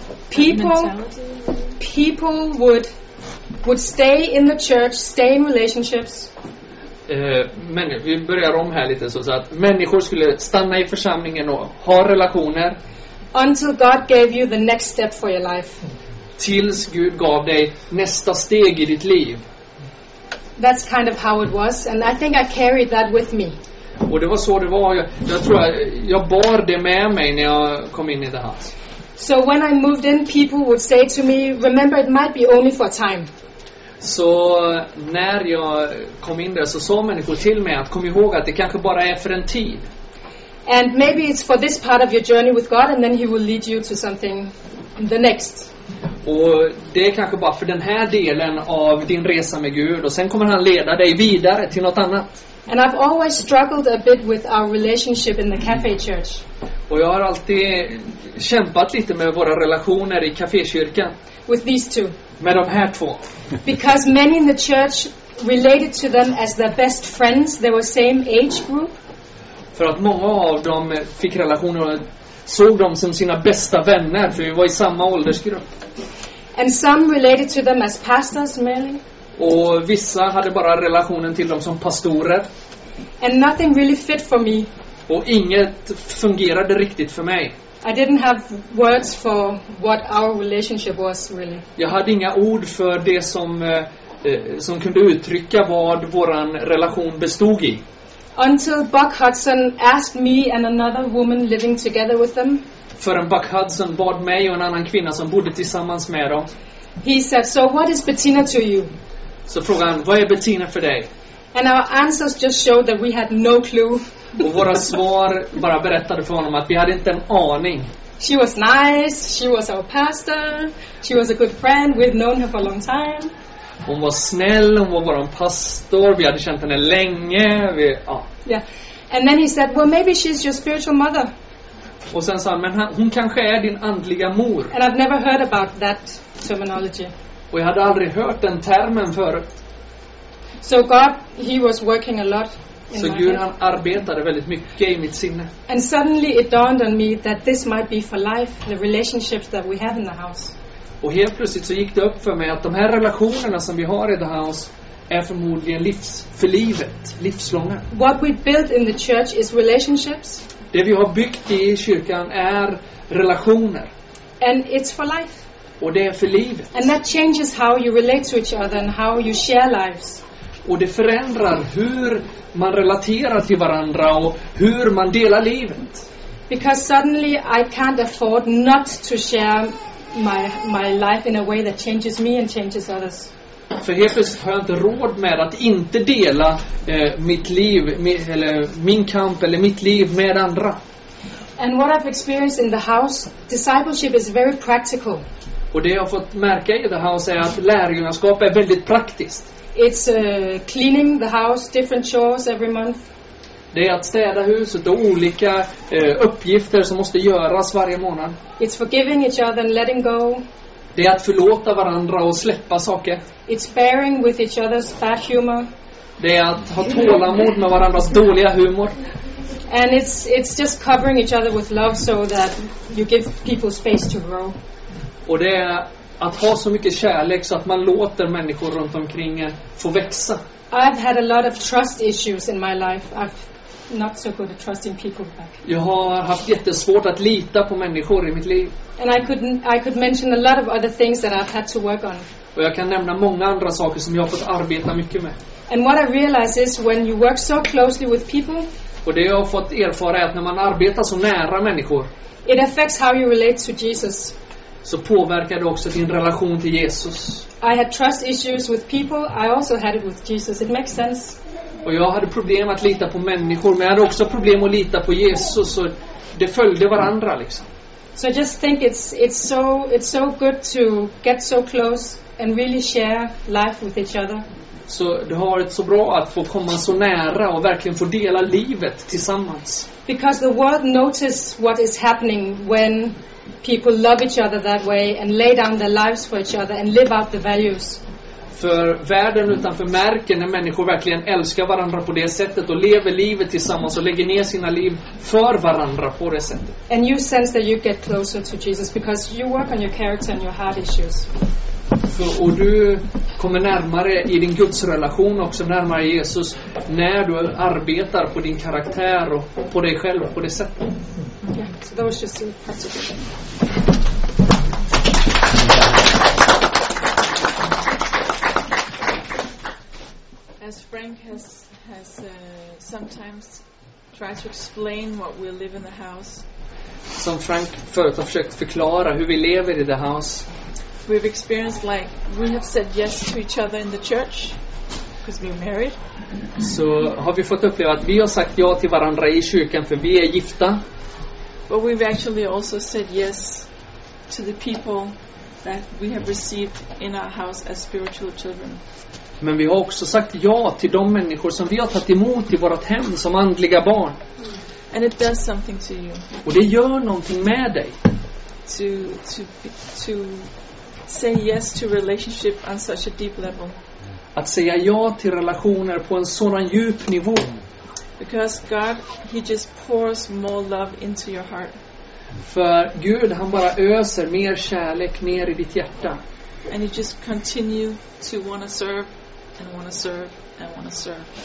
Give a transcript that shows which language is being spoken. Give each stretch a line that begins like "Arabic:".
English: People would stay in the church, stay in relationships.
Swedish: Vi börjar om här lite så att människor skulle stanna i församlingen och ha relationer.
English: Until God gave you the next step for your life.
Swedish: Tills Gud gav dig nästa steg i ditt liv.
English: That's kind of how it was, and I think I carried that with me.
Swedish: Och det var så det var. Jag tror jag bar det med mig när jag kom in i det här.
English: So when I moved in, people would say to me, "Remember, it might be only for a time."
Swedish: Så när jag kom in där så sa människor till mig att kom ihåg att det kanske bara är för en tid.
English: And maybe it's for this part of your journey with God, and then He will lead you to something the next.
Swedish: Och det är kanske bara för den här delen av din resa med Gud, och sen kommer Han leda dig vidare till något annat.
English: And I've always struggled a bit with our relationship in the cafe church.
Swedish: Och jag har alltid kämpat lite med våra relationer i kafékyrkan.
English: With these two.
Swedish: Med de här två.
English: Because many in the church related to them as their best friends. They were same age group.
Swedish: För att många av dem fick relationer och såg dem som sina bästa vänner. För vi var i samma åldersgrupp.
English: And some related to them as pastors merely.
Swedish: Och vissa hade bara relationen till dem som pastorer.
English: And nothing really fit for me.
Swedish: Och inget fungerade riktigt för mig.
English: I didn't have words for what our relationship was really.
Swedish: Jag hade inga ord för det som kunde uttrycka vad våran relation bestod i.
English: Until Buck Hudson asked me and another woman living together with them.
Swedish: Förrän Buck Hudson bad mig och en annan kvinna som bodde tillsammans med dem.
English: He said, "So what is Bettina to you?"
Swedish: Så frågade han, vad är Bettina för dig?
English: And our answers just showed that we had no clue.
Swedish: Och våra svar bara berättade för honom att vi hade inte en aning.
English: She was nice, she was our pastor, she was a good friend, we've known her for a long time.
Swedish: Hon var snäll, hon var vår pastor, vi hade känt henne länge.
English: Yeah. And then he said, "Well, maybe she's your spiritual mother."
Swedish: Och sen sa han, men hon kanske är din andliga mor.
English: And I've never heard about that terminology.
Swedish: Och jag hade aldrig hört den termen förut.
English: So God, he was working a lot.
Swedish: Så Gud, han arbetade väldigt mycket i mitt sinne.
English: And suddenly it dawned on me that this might be for life, the relationships that we have in the house.
Swedish: Och helt plötsligt så gick det upp för mig att de här relationerna som vi har i the house är förmodligen livs, för livet, livslånga.
English: What we built in the church is relationships.
Swedish: Det vi har byggt i kyrkan är relationer.
English: And it's for life.
Swedish: Och det är för livet.
English: And that changes how you relate to each other and how you share lives.
Swedish: Och det förändrar hur man relaterar till varandra och hur man delar livet.
English: Because suddenly I can't afford not to share my life in a way that changes me and changes others.
Swedish: För helt plötsligt har jag inte råd med att inte dela mitt liv eller min kamp eller mitt liv med andra.
English: And what I've experienced in the house, discipleship is very practical.
Swedish: Och det jag har fått märka i the house är att lärjungaskap är väldigt praktiskt.
English: It's cleaning the house, different chores every month.
Swedish: Det är att städa huset och olika uppgifter som måste göras varje månad.
English: It's forgiving each other and letting go.
Swedish: Det är att förlåta varandra och släppa saker.
English: It's bearing with each other's bad humor.
Swedish: Det är att ha tålamod med varandras dåliga humor.
English: And it's just covering each other with love so that you give people space to grow.
Swedish: Och det är att ha så mycket kärlek så att man låter människor runt omkring få växa.
English: I've had a lot of trust issues in my life. I've not so good at trusting people back.
Swedish: Jag har haft jättesvårt att lita på människor i mitt liv.
English: And I could mention a lot of other things that I've had to work on.
Swedish: Och jag kan nämna många andra saker som jag har fått arbeta mycket med.
English: And what I realize is when you work so closely with people.
Swedish: Och det jag har fått erfara är att när man arbetar så nära människor.
English: It affects how you relate to Jesus.
Swedish: Så påverkar det också din relation till Jesus.
English: I had trust issues with people. I also had it with Jesus. It makes sense.
Swedish: Och jag hade problem att lita på människor, men jag hade också problem att lita på Jesus, så det följde varandra liksom.
English: So I just think it's so good to get so close and really share life with each other.
Swedish: Så det har varit så bra att få komma så nära och verkligen få dela livet tillsammans.
English: Because the world notices what is happening when people love each other that way and lay down their lives for each other and live out the values.
Swedish: För världen utanför märker när människor verkligen älskar varandra på det sättet och lever livet tillsammans och lägger ner sina liv för varandra på det sättet.
English: And you sense that you get closer to Jesus because you work on your character and your heart issues.
Swedish: Och du kommer närmare i din gudsrelation också, närmare Jesus, när du arbetar på din karaktär och på dig själv på det sättet.
English: So that was just a practical thing. As Frank has sometimes tried to explain what we live in the house.
Swedish: Som Frank förut har försökt förklara hur vi lever i the house.
English: We've experienced like we have said yes to each other in the church because we're married.
Swedish: Så har vi fått uppleva att vi har sagt ja till varandra i kyrkan för vi är gifta.
English: But we've actually also said yes to the people that we have received in our house as spiritual children.
Swedish: Men vi har också sagt ja till de människor som vi har tagit emot i vårt hem som andliga barn.
English: And it does something to you.
Swedish: Och det gör någonting med dig.
English: To say yes to relationship on such a deep level.
Swedish: Att säga ja till relationer på en sådan djup nivå.
English: Because God, he just pours more love into your heart.
Swedish: För Gud, han bara öser mer kärlek ner i ditt hjärta.
English: And you just continue to want to serve. And want to serve, and want to serve.